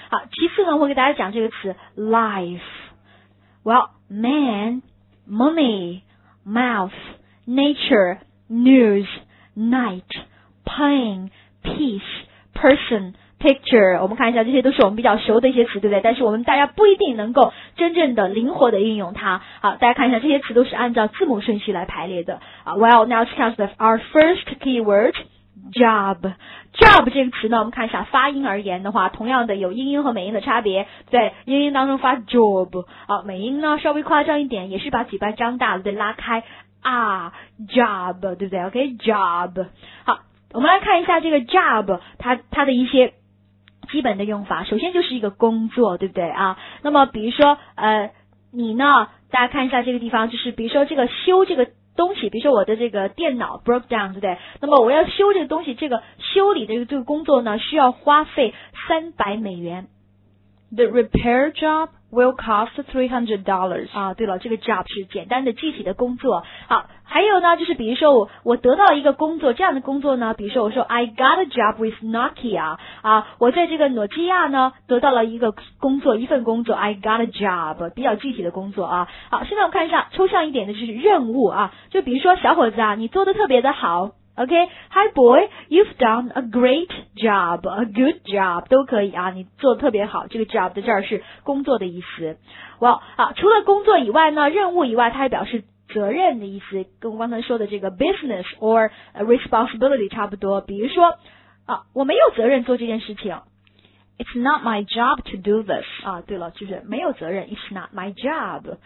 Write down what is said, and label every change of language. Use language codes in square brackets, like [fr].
[zh] 好，其次呢，我给大家讲这个词 life. [en] Well, man, money, mouth, nature, news, night, pain, peace, person,Picture, [zh] 我们看一下，这些都是我们比较熟的一些词，对不对？但是我们大家不一定能够真正的灵活的运用它。好，大家看一下，这些词都是按照字母顺序来排列的。 [en] Well, now let's count our first keyword, job. [zh] Job 这个词呢，我们看一下发音而言的话，同样的有英音和美音的差别。对，英音当中发 job, 好，美音呢稍微夸张一点，也是把嘴巴张大了，对，拉开啊 job, 对不对 ？OK, job. 好。我们来看一下这个 job, 它的一些基本的用法。首先就是一个工作，对不对啊？那么比如说你呢，大家看一下这个地方，就是比如说这个修这个东西，比如说我的这个电脑 [en] broke down, [zh] 对不对？那么我要修这个东西，这个修理的这个工作呢，需要花费300美元。 [en] The repair job will cost $300. [zh] 啊，对了，这个 job 是简单的具体的工作。好，还有呢，就是比如说我得到一个工作，这样的工作呢，比如说我说 [en] I got a job with Nokia. [zh] 啊，我在这个诺基亚呢得到了一个工作，一份工作 ， [en] I got a job, [zh] 比较具体的工作啊。好，现在我们看一下抽象一点的，就是任务啊，就比如说小伙子啊，你做得特别的好。 [en] OK, hi boy, you've done a great job, a good job, [zh] 都可以啊，你做得特别好，这个 job 在这儿是工作的意思。 Well, 好，除了工作以外呢，任务以外，它还表示责任的意思，跟我刚才说的这个 [en] business or responsibility [zh] 差不多。比如说，啊，我没有责任做这件事情。 [en] It's not my job to do this. [zh] 啊，对了，就是没有责任。 [en] It's not my job.